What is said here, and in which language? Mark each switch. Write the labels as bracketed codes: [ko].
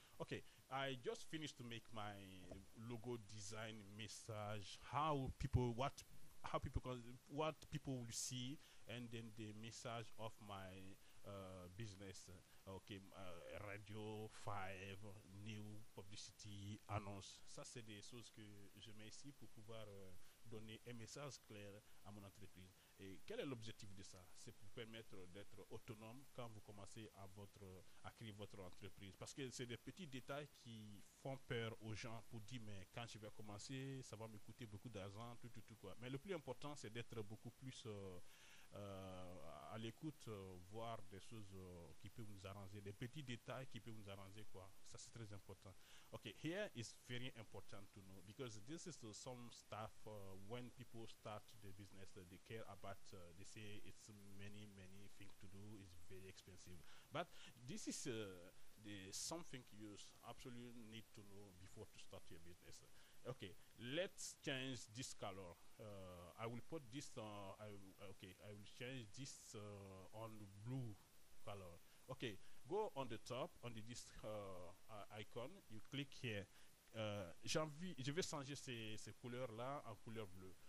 [en] OK, I just finished to make my logo design message, what people will see, and then the message of my business. OK, radio, 5, new, publicity, annonce. [fr] Ça, c'est des choses que je mets ici pour pouvoir donner un message clair à mon entreprise. Et quel est l'objectif de ça? C'est pour permettre d'être autonome quand vous commencez à créer votre entreprise. Parce que c'est des petits détails qui font peur aux gens pour dire, mais quand je vais commencer, ça va me coûter beaucoup d'argent, tout, tout, tout, quoi. Mais le plus important, c'est d'être beaucoup plus à l'écoute, voir des choses qui peuvent nous arranger, des petits détails qui peuvent nous arranger, quoi. Ça, c'est très important. [en] OK, here is very important to know because this is some stuff when people start the business, they care about, they say it's many, many things to do, it's very expensive. But this is something you absolutely need to know before to start your business. OK, let's change this color. I will put this I will change this on the blue color. OK, go on the top on the this icon, you click here. [fr] Je vais changer ces couleurs là en couleur bleue.